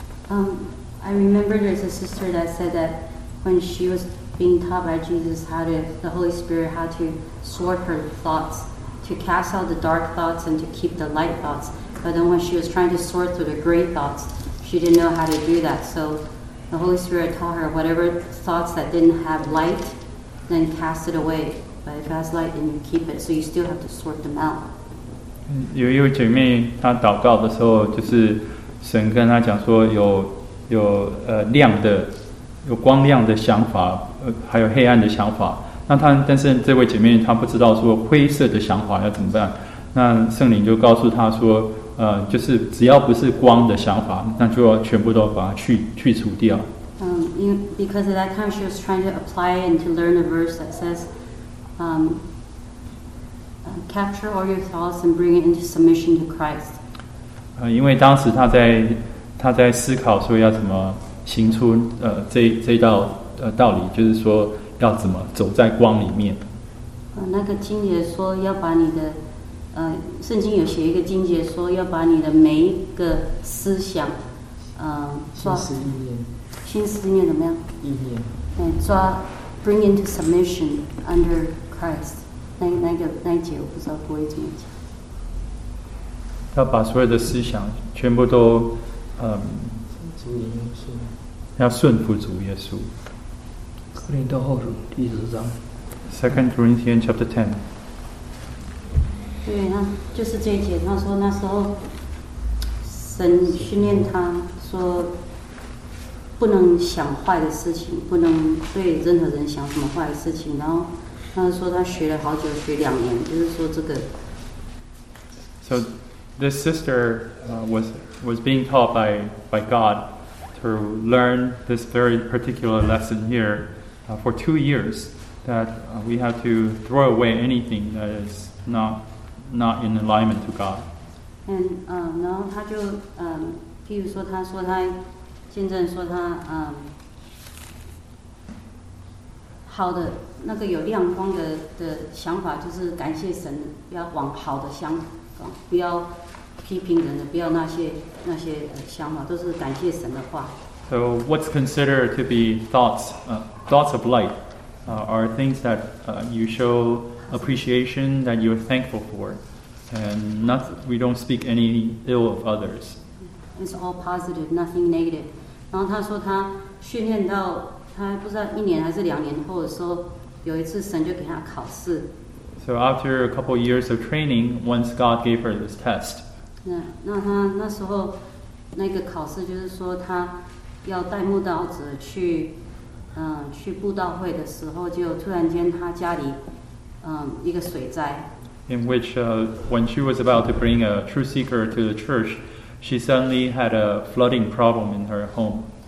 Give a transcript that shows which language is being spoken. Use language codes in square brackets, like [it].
[en] I remember there's a sister that said that when she was being taught by Jesus how to sort her thoughts, to cast out the dark thoughts and to keep the light thoughts. But then when she was trying to sort through the gray thoughts, she didn't know how to do that. So. The Holy Spirit taught her whatever thoughts that didn't have light, then cast it away. But if it has light, then you keep it. So you still have to sort them out. [zh] 有一位姐妹，她祷告的时候，就是神跟她讲说有亮的，有光亮的想法，还有黑暗的想法。那她，但是这位姐妹她不知道说灰色的想法要怎么办。那圣灵就告诉她说。就是只要不是光的想法，那就要全部都把它去除掉。 [en] Because at that time she was trying to apply and to learn a verse that says, capture all your thoughts and bring it into submission to Christ. [zh] 因为当时她在思考说要怎么行出这道道理，就是说要怎么走在光里面。那个经节说要把你的。圣经有写一个经节说要把你的每一个思想心思念怎么样抓 [en] bring into submission under Christ [zh] 那一节我不知道不会怎么讲要把所有的思想全部都要顺服主耶稣哥林多后书第十章 [en] 2 Corinthians chapter 10 [zh] 对，那就是这一节。他说那时候神训练他说，不能想坏的事情，不能对任何人想什么坏的事情。然后他说他学了好久，学两年，就是说这个。 [en] So this sister was being taught by God to learn this very particular lesson here for 2 years that we have to throw away anything that is not in alignment to God. [zh] And 然后他就譬如说，他见证说他好的那个有亮光的想法，就是感谢神，要往好的想法，不要批评人的，不要那些想法，都是感谢神的话。 [en] So what's considered to be thoughts of light, are things that you show appreciation that you're thankful for. And we don't speak any ill of others. It's all positive, nothing negative. [zh] 然后他说他训练到他不知道一年还是两年后的时候，有一次神就给他考试。 [en] So So after a couple of years of training, once God gave her this test. [zh] 那时候那个考试就是说她要带牧道子去布道会的时候就突然间她家里一个水灾。 [en] In which when she was about to bring a true seeker to the church, she suddenly had a flooding problem in her home.